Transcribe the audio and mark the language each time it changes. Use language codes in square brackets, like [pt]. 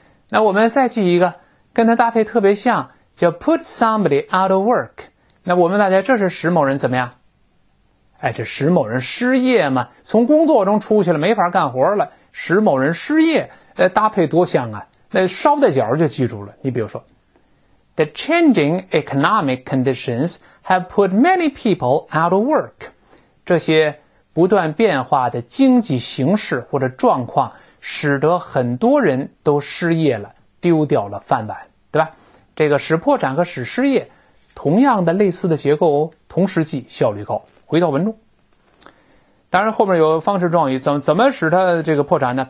[zh] 那我们再记一个跟它搭配特别像，叫 [en] put somebody out of work。 [zh] 那我们大家这是使某人怎么样？哎，这使某人失业嘛，从工作中出去了没法干活了，使某人失业，搭配多像啊，那捎带脚就记住了。你比如说 [en] The changing economic conditions have put many people out of work。 [zh] 这些不断变化的经济形势或者状况使得很多人都失业了，丢掉了饭碗，对吧？这个使破产和使失业同样的类似的结构，同时记效率高。回到文中，当然后面有方式状语，怎么使他这个破产呢？